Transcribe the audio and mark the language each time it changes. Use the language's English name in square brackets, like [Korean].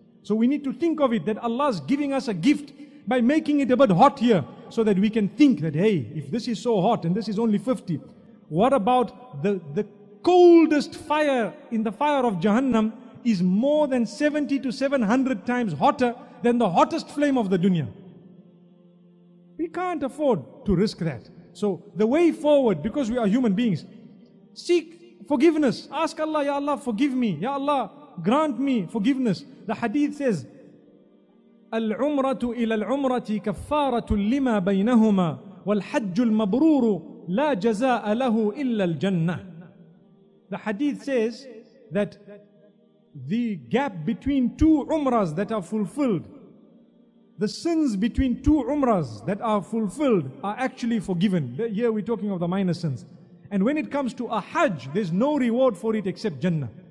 [English] So we need to think of it that Allah is giving us a gift by making it a bit hot here, so that we can think that, hey, if this is so hot and this is only 50, what about the coldest fire in the fire of Jahannam is more than 70 to 700 times hotter than the hottest flame of the dunya. We can't afford to risk that. So the way forward, because we are human beings, seek forgiveness. Ask Allah, Ya Allah, forgive me. Ya Allah, grant me forgiveness. The hadith says, [Arabic] العمرة إلى العمرة كفارة لما بينهما والحج المبرور لا جزاء له إلا الجنة. [English] The hadith says that the gap between two umrahs that are fulfilled, the sins between two umrahs that are fulfilled are actually forgiven. Here we're talking of the minor sins. And when it comes to a hajj, there's no reward for it except Jannah.